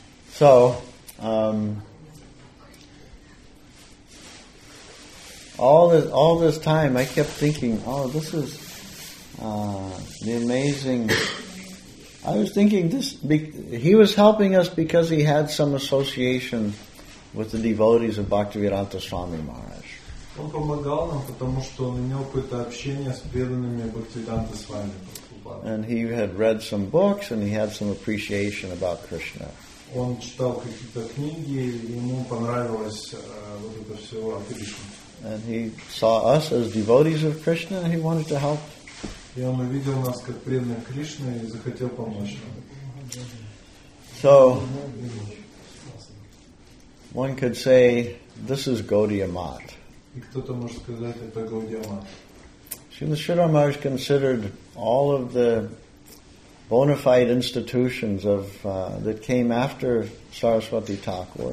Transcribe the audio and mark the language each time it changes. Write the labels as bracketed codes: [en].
[en] So, all this time, I kept thinking, "Oh, this is the amazing." I was thinking this. He was helping us because he had some association with the devotees of Bhaktivedanta Swami Maharaj. [ru] Он помогал нам, потому что у него какое-то общение с преданными Бхактивиданта Свами Прабхупадой. [en] And he had read some books and he had some appreciation about Krishna. [ru] Он читал какие-то книги, ему понравилось вот это все о Кришне. [en] And he saw us as devotees of Krishna and he wanted to help. [ru] И он увидел нас как преданных Кришны и захотел помочь нам. [en] So, one could say, this is Gaudiya Math. [ru] И кто-то может сказать, это Gaudiya Math. [en] Srila Sridhara Maharaj considered all of the bona fide institutions of that came after Saraswati Thakur.